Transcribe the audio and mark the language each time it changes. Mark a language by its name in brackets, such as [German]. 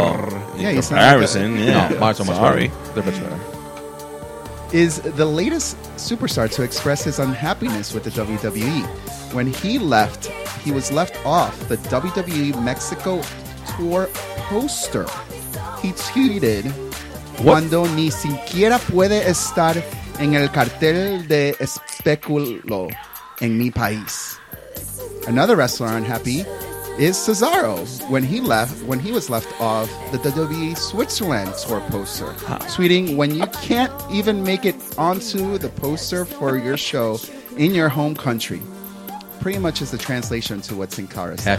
[English] Comparison. Like yeah. No, sorry. They're much better. Is the latest superstar to express his unhappiness with the WWE. When he left, he was left off the WWE Mexico tour poster. He tweeted, what? [Spanish] Cuando ni siquiera puede estar en el cartel de especulo en mi país. [English] Another wrestler unhappy is Cesaro when he was left off the WWE Switzerland tour poster, tweeting, when you can't even make it onto the poster for your show in your home country. Pretty much is the translation to what Sin Cara said.